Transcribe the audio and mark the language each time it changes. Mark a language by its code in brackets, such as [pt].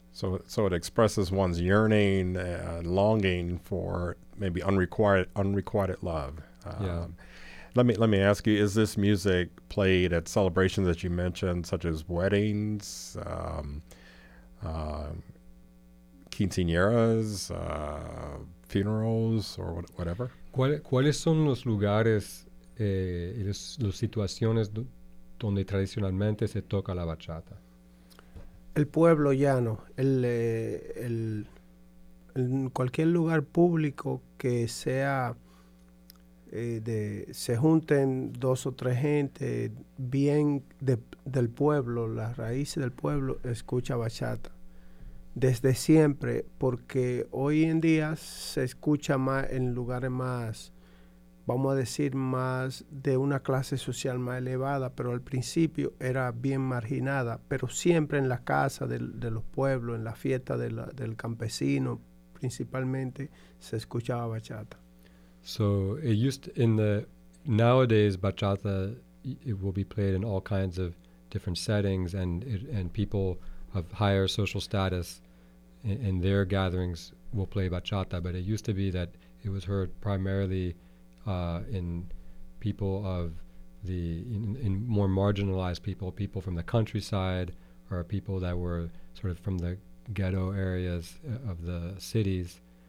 [en] So it expresses one's yearning and longing for maybe unrequited love. Yeah. Let me ask you, is this music played at celebrations that you mentioned, such as weddings, quinceañeras, funerals, or whatever? [es] ¿Cuáles son los lugares y las situaciones donde tradicionalmente se toca la bachata? El pueblo llano, el cualquier lugar público que sea se junten dos o tres gente bien del pueblo, las raíces del pueblo, escucha bachata desde siempre, porque hoy en día se escucha más en lugares más, vamos a decir, más de una clase social más elevada, pero al principio era bien marginada, pero siempre en la casa de los pueblos, en la fiesta del campesino, principalmente se escuchaba bachata. [en] So it used to, in the nowadays bachata it will be played in all kinds of different settings, and people of higher social status in their gatherings will play bachata, but it used to be that it was heard primarily in people of the in more marginalized people from the countryside, or people that were sort of from the ghetto areas of the cities,